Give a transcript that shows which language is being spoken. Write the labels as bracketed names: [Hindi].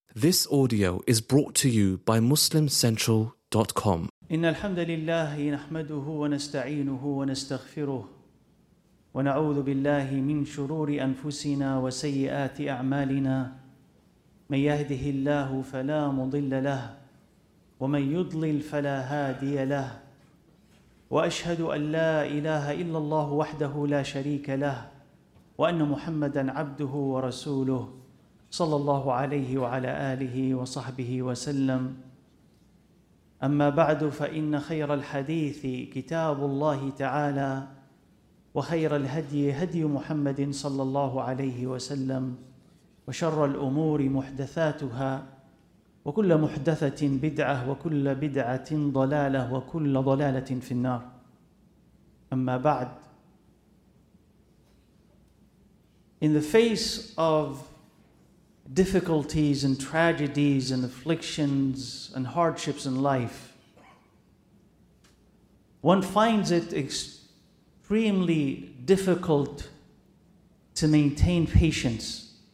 [English] This audio is brought to you by MuslimCentral.com. [Arabic] إن الحمد لله نحمده ونستعينه ونستغفره ونعوذ بالله من شرور أنفسنا وسيئات أعمالنا من يهده الله فلا مضل له ومن يضلل فلا هادي له وأشهد أن لا إله إلا الله وحده لا شريك له وأن محمدا عبده ورسوله صلى الله عليه وعلى آله وصحبه وسلم أما بعد فإن خير الحديث كتاب الله تعالى وخير الهدي هدي محمد صلى الله عليه وسلم وشر الأمور محدثاتها وكل محدثة بدعة وكل بدعة ضلالة وكل ضلالة في النار أما بعد. [English] In the face of difficulties and tragedies and afflictions and hardships in life, one finds it extremely difficult to maintain patience.